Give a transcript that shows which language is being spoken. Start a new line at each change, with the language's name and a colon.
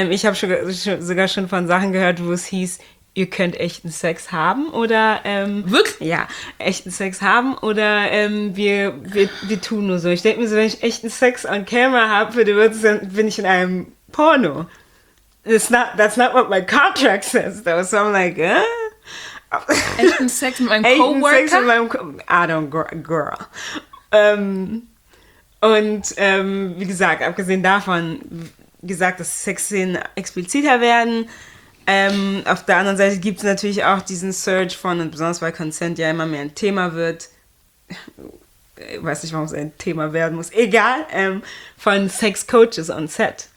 German: Ich habe sogar schon von Sachen gehört, wo es hieß, ihr könnt echten Sex haben oder wirklich? Ja, echten Sex haben oder wir tun nur so. Ich denke mir so, wenn ich echten Sex on camera habe, bin ich in einem Porno.
English: That's not what my contract says, though. So I'm like,
German: Echten Sex mit meinem Coworker? Echten Sex mit meinem Coworker.
English: I don't, girl.
German: Wie gesagt, abgesehen davon, dass Sexszenen expliziter werden. Auf der anderen Seite gibt es natürlich auch diesen Surge von, und besonders weil Consent ja immer mehr ein Thema wird, ich weiß nicht, warum es ein Thema werden muss, egal, von Sex-Coaches on Set.